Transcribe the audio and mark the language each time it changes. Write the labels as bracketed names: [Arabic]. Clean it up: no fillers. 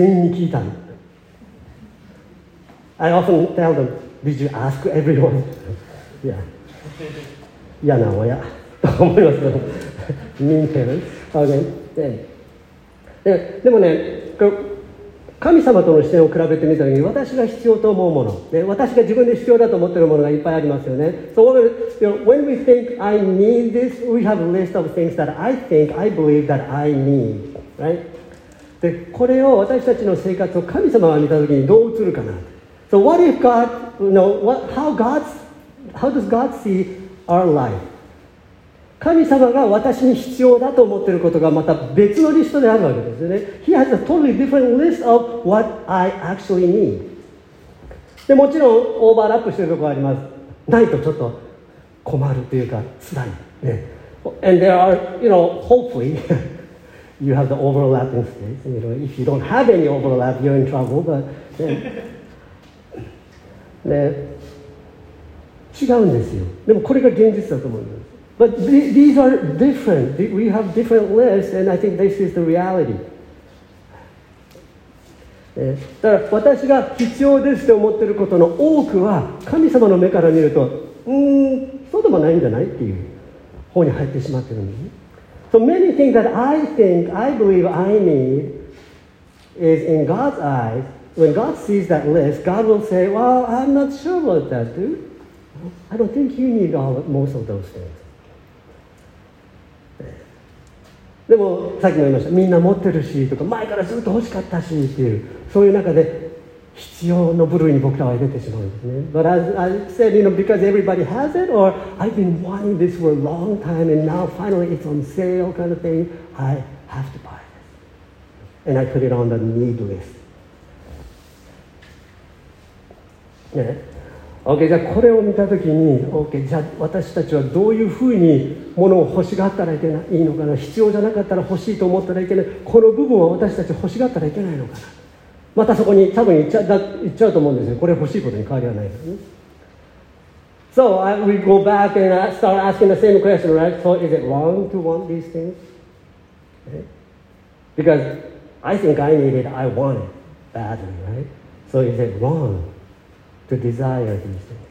[Japanese] 全員に聞いたの。 [English] I often tell them, did you ask everyone? [Japanese] Yeah. 嫌な親。と思いますけど。 [English] Mean parents. Okay. [Japanese] でもね、神様との視点を比べてみたときに、私が必要と思うもの、ね、私が自分で必要だと思っているものがいっぱいありますよね。 [English] So, you know, when we think I need this, we have a list of things that I think, I believe that I need, right? [Japanese] で、これを私たちの生活を神様が見たときにどう映るかな。 [English] So, what if God, you know, how does God see our life? [Japanese] 神様が私に必要だと思っていることがまた別のリストであるわけですよね。 [English] He has a totally different list of what I actually need. [Japanese] でもちろんオーバーラップしているところがあります。ないとちょっと困るというか辛い、ね。 [English] And there are, you know, hopefully you have the overlapping states. You know, if you don't have any overlap, you're in trouble. [Japanese] But, ね、違うんですよ。でもこれが現実だと思うんです。 [English] But these are different. We have different lists, and I think this is the reality. [Japanese] だから私が必要ですと思っていることの多くは神様の目から見るとそうでもないんじゃないっていう方に入ってしまってるんですね。 [English] So many things that I think, I believe I need is in God's eyes. When God sees that list, God will say, well, I'm not sure about that, dude. I don't think you need all, most of those things. [Japanese] でもさっきも言いました、みんな持ってるしとか、前からずっと欲しかったしっていう、そういう中で必要の部類に僕らは入れてしまうんですね。 [English] But as I said, you know, because everybody has it, or I've been wanting this for a long time and now finally it's on sale kind of thing, I have to buy it. And I put it on the need list. Yeah. [Japanese] Okay, じゃあこれを見たときに、okay, じゃあ私たちはどういうふうに物を欲しがったらいけないのかな、必要じゃなかったら欲しいと思ったらいけない、この部分は私たち欲しがったらいけないのかな。またそこに多分行っちゃうと思うんですよ。これ欲しいことに変わりはないですね。 [English] So we go back and start asking the same question, right? So is it wrong to want these things? Because I think I need it, I want it badly, right? So is it wrong to desire these things?